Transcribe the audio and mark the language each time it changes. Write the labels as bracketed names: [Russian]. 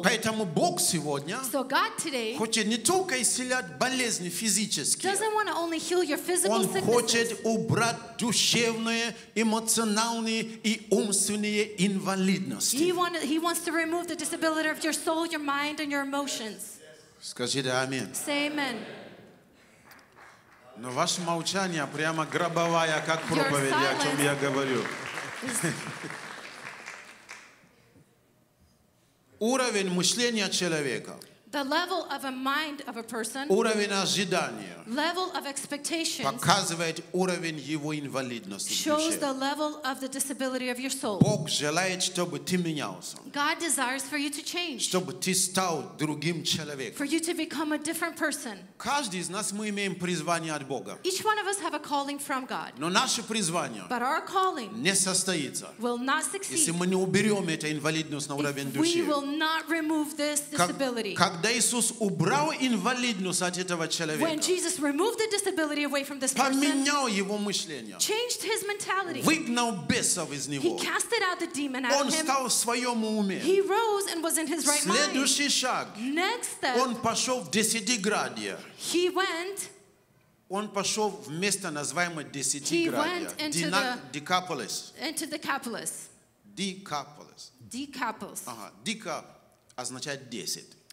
[English] So God today doesn't want to only heal your physical sicknesses. He wants to remove the disability of your soul, your mind, and your emotions. Say amen. [Russian] Но ваше молчание прямо гробовая, как проповедь, о чем я говорю. Уровень мышления человека. [English] The level of a mind of a person. [Russian] Уровень ожидания. [English] Level of expectations. [Russian] Показывает уровень его инвалидности. [English] Shows the level of the disability of your soul. [Russian] Бог желает, чтобы ты менялся. [English] God desires for you to change. [Russian] Чтобы ты стал другим человеком. [English] For you to become a different person. [Russian] Каждый из нас мы имеем призвание от Бога. [English] Each one of us have a calling from God. [Russian] Но наше призвание. [English] But our calling. [Russian] Не состоится. [English] Will not succeed. [Russian] Если мы не уберем эту инвалидность на уровень души. [English] We will not remove this disability. [Russian] Когда Иисус убрал инвалидность от этого человека, [English] when Jesus removed the disability away from this person, [Russian] поменял его мышление, [English] changed his mentality, [Russian] выгнал бесов из него, [English] he casted out the demon out of him, [Russian] он стал в своем уме, [English] he rose and was in his right mind. [Russian] Следующий шаг, [English] next step, [Russian] он пошел в десятиградие, [English] he went, [Russian] он пошел в место, называемое десятиградие, Декаполис, [English] into the Decapolis, Decapolis, Decapolis, [Russian] Декап означает 10.